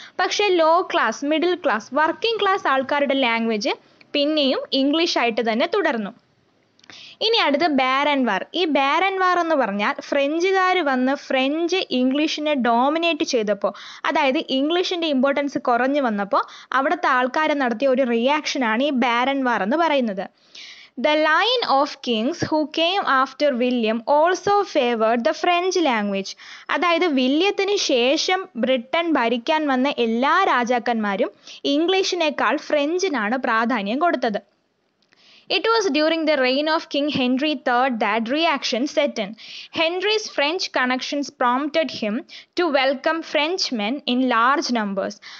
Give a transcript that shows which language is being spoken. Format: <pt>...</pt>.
<ml>പക്ഷേ low class, middle class, working class ആൾക്കാരുടെ language പിന്നെയും ഇംഗ്ലീഷായിട്ട് തന്നെ തുടർന്നു. ഇനി അടുത്ത് ബാരൻ വാർ. ഈ ബാരൻ വാർ എന്ന് പറഞ്ഞാൽ ഫ്രഞ്ചുകാർ വന്ന് ഫ്രഞ്ച് ഇംഗ്ലീഷിനെ ഡോമിനേറ്റ് ചെയ്തപ്പോൾ, അതായത് ഇംഗ്ലീഷിൻ്റെ ഇമ്പോർട്ടൻസ് കുറഞ്ഞു വന്നപ്പോൾ അവിടുത്തെ ആൾക്കാരെ നടത്തിയ ഒരു റിയാക്ഷനാണ് ഈ ബാരൻ വാർ എന്ന് പറയുന്നത്.</ml> <en>The line of kings who came after William also favored the French language.</en> <ml>അതായത് വില്യത്തിന് ശേഷം ബ്രിട്ടൻ ഭരിക്കാൻ വന്ന എല്ലാ രാജാക്കന്മാരും ഇംഗ്ലീഷിനേക്കാൾ ഫ്രഞ്ചിനാണ് പ്രാധാന്യം കൊടുത്തത്.</ml> <en>It was during the reign of king Henry III that reaction set in. Henry's French connections prompted him to welcome French men in large numbers.</en>